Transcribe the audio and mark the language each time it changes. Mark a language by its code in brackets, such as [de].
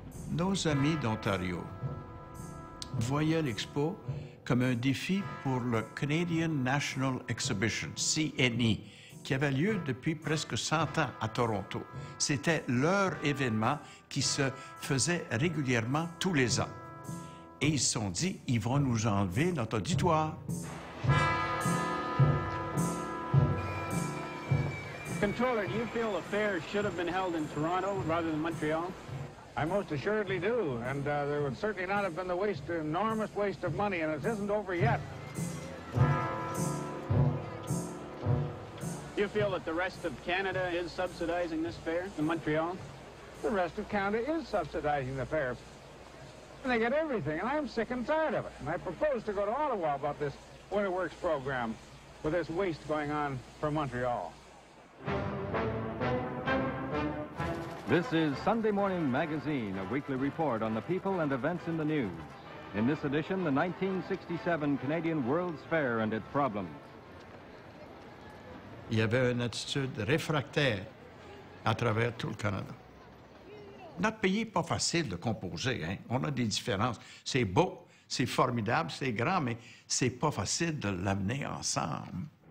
[fr] Nos amis d'Ontario voyaient l'expo comme un défi pour le Canadian National Exhibition, CNE, qui avait lieu depuis presque 100 ans à Toronto. C'était leur événement qui se faisait régulièrement tous les ans. Et ils se sont dit, ils vont nous enlever notre auditoire. [en] Controller, do you feel the fair should have been held in Toronto rather than Montreal? I most assuredly do, and there would certainly not have been the waste, enormous waste of money, and it isn't over yet. Do you feel that the rest of Canada is subsidizing this fair in Montreal? The rest of Canada is subsidizing the fair. And they get everything, and I'm sick and tired of it. And I propose to go to Ottawa about this Winter Works program with this waste going on for Montreal. This is Sunday Morning Magazine, a weekly report on the people and events in the news. In this edition, the 1967 Canadian World's Fair and its problems. [fr] Il y avait une attitude réfractaire à travers tout le Canada. Notre pays n'est pas facile de composer, hein? On a des différences. C'est beau, c'est formidable, c'est grand, mais c'est pas facile de l'amener ensemble.